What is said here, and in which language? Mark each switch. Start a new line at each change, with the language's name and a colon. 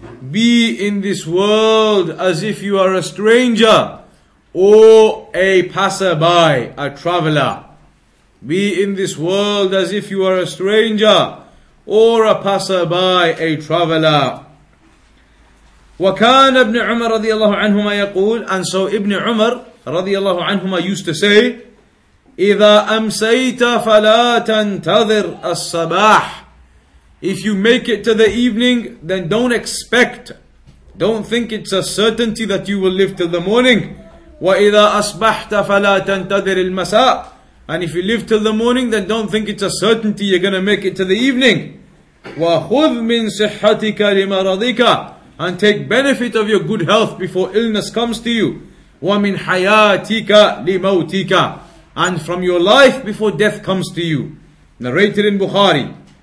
English: Be in this world as if you are a stranger or a passerby, a traveler. Be in this world as if you are a stranger or a passerby, a traveler.
Arabic: وكان ابن عمر رضي الله عنهما يقول,
English: and so Ibn Umar
Arabic: رضي الله عنهما
English: used to say,
Arabic: إذا أمسيت فلا تنتظر الصباح.
English: If you make it to the evening, then don't expect, don't think it's a certainty that you will live till the morning.
Arabic: وإذا أصبحت فلا تنتظر المساء.
English: And if you live till the morning, then don't think it's a certainty you're going to make it to the evening.
Arabic: وَخُذْ مِنْ صِحَّتِكَ لِمَرَضِكَ.
English: And take benefit of your good health before illness comes to you.
Arabic: وَمِنْ حَيَاتِكَ لِمَوْتِكَ.
English: And from your life before death comes to you. Narrated in Bukhari.